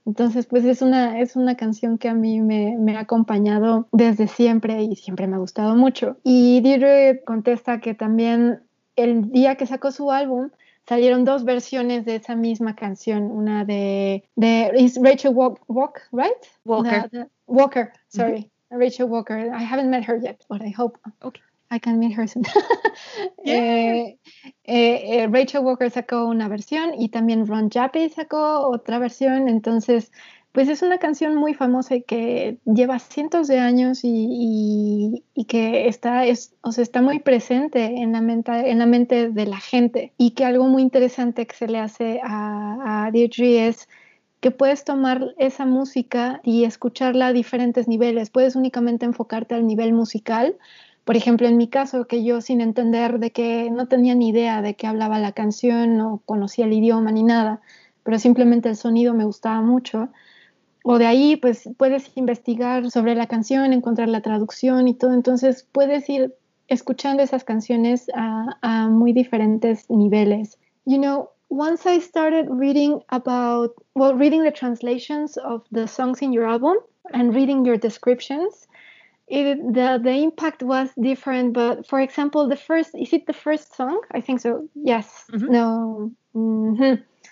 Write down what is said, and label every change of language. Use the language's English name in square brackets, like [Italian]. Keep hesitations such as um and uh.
[Spanish] Entonces, pues es una, es una canción que a mí me, me, ha acompañado desde siempre y siempre me ha gustado mucho. Y Deirdre contesta que también el día que sacó su álbum salieron dos versiones de esa misma canción, una de, de [English] is Rachel Walk, Walk, right? Walker. La, la, Walker, sorry. Mm -hmm. Rachel Walker. I haven't met her yet, but I hope okay. I can meet her yeah. [Spanish] eh, eh, Rachel Walker sacó una versión y también Ron Jaffe sacó otra versión. Entonces, pues es una canción muy famosa y que lleva cientos de años y, y, y que está, es, o sea, está muy presente en la, menta, en la, mente, de la gente. Y que algo muy interesante que se le hace a, a Deirdre es que puedes tomar esa música y escucharla a diferentes niveles. Puedes únicamente enfocarte al nivel musical. Por ejemplo, en mi caso, que yo sin entender de qué, no tenía ni idea de qué hablaba la canción, no conocía el idioma ni nada, pero simplemente el sonido me gustaba mucho. O de ahí, pues puedes investigar sobre la canción, encontrar la traducción y todo. Entonces, puedes ir escuchando esas canciones a, a muy diferentes niveles. [English] You know, once I started reading about, well, reading the translations of the songs in your album and reading your descriptions, it, the, the impact was different. But for example, the first, is it the first song? I think so. Yes. Mm -hmm. No. Mm -hmm.